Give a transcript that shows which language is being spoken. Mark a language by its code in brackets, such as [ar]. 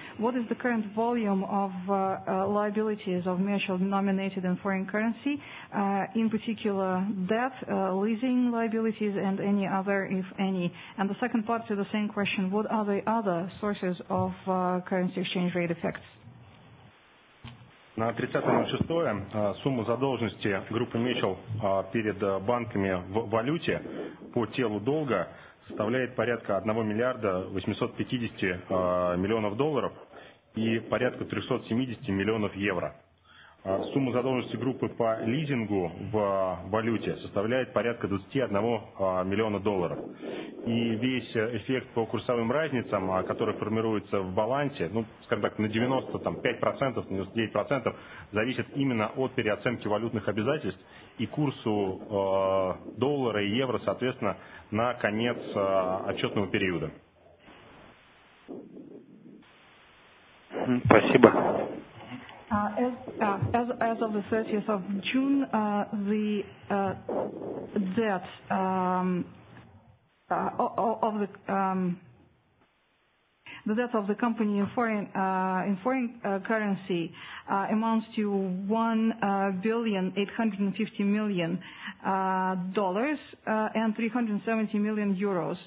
[en] What is the current volume of liabilities of Mercial denominated in foreign currency, in particular debt, leasing liabilities, and any other, if any? And the second part to the same question, what are the other sources of currency exchange rate effects? [ru] На 30.06 сумма задолженности группы Mitchell перед банками в валюте по телу долга составляет порядка 1 миллиарда 850 миллионов долларов и порядка 370 миллионов евро. Сумма задолженности группы по лизингу в валюте составляет порядка 21 миллиона долларов. И весь эффект по курсовым разницам, который формируется в балансе, ну, скажем так, на 95%, на 99% зависит именно от переоценки валютных обязательств и курсу доллара и евро, соответственно, на конец отчетного периода. Спасибо. [en] As of the 30th of June, the debt of the debt of the company in foreign currency amounts to $1,850,000,000 dollars and €370 million.